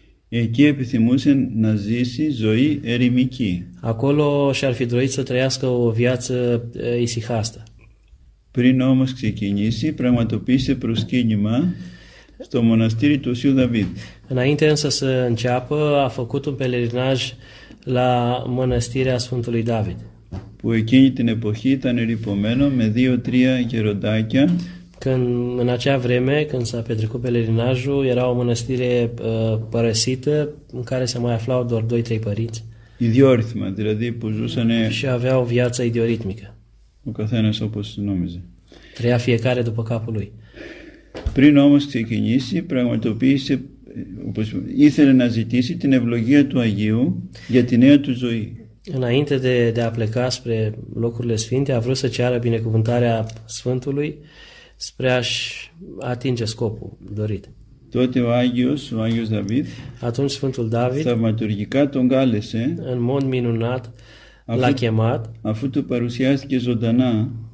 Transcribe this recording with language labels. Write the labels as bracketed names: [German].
[Greek] Εκεί επιθυμούσε να ζήσει ζωή ερημική. [Romanian] Acolo și-ar fi dorit să trăiască o viață ησυχάστα. [Greek] Πριν όμως ξεκινήσει, πραγματοποίησε προσκύνημα στο μοναστήρι του Οσίου Δαβίδ. [Romanian] Înainte însă să înceapă, a făcut un pelerinaj la mănăstirea Sfântului David. [Greek] Που εκείνη την εποχή ήταν ερυπωμένο με 2-3 γεροντάκια. [Romanian] Când, în acea vreme, când s-a petrecut pelerinajul, era o mănăstire părăsită în care se mai aflau doar 2-3 părinți. Idioritmă, adică [Greek] που ζούσανε. [Romanian] Și aveau viața idioritmică. [Greek] Ο καθένας όπως νόμιζε. [Romanian] Trăia fiecare după capul lui. [Greek] Πριν όμως ξεκινήσει, πραγματοποίησε, όπως ήθελε να ζητήσει την ευλογία του Αγίου για τη νέα του ζωή. [Romanian] Înainte de a pleca spre locurile sfinte, a vrut să ceară binecuvântarea Sfântului spre a-și atinge scopul dorit. [Greek] Τότε ο Άγιος, ο Άγιος Δαβίδ, [Romanian] atunci Sfântul David, [Greek] θαυματουργικά τον κάλεσε, [Romanian] în mod minunat, l-a chemat, [Greek] αφού του παρουσιάστηκε ζωντανά,